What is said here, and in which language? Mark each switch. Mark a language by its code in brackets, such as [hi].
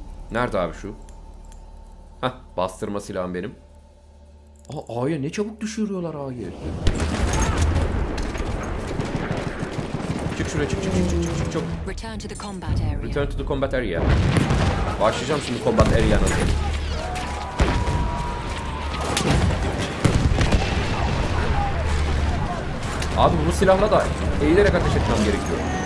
[tr] Nerede abi şu? Hah bastırma silahım benim. Aa ağaya ne çabuk düşürüyorlar ağaya. Çık şuraya çık çık çık çık çık çık. [en] Return to the combat area. Return to the combat area. [tr] Başlayacağım şimdi combat area'na. Abi bunu silahla da eğilerek ateş etmem gerekiyor.